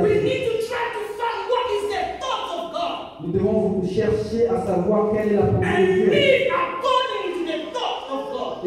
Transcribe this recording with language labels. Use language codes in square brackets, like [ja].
[en] We need to try to find what is the thought of God. [fr] Nous devons chercher à savoir quelle est la pensée de Dieu. [en] And live according to the thought of God.